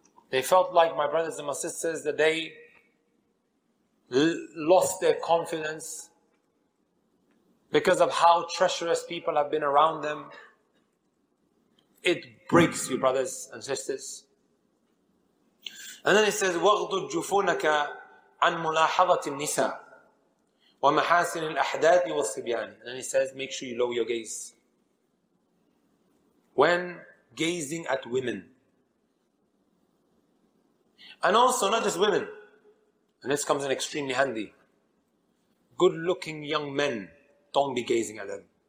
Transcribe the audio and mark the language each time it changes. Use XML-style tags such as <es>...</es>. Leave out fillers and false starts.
<en>They felt like, my brothers and my sisters, that they lost their confidence because of how treacherous people have been around them. It breaks you, brothers and sisters. And then it says,</en> <ar>وَغْضُدْ جُفُونَكَ عَنْ مُلَاحَظَةِ النِّسَاءِ وَمَحَاسِنِ الْأَحْدَاثِ وَالصِّبْيَانِ.</ar> <en>And then it says, make sure you lower your gaze when gazing at women. And also, not just women. And this comes in extremely handy. Good-looking young men, don't be gazing at them.</en>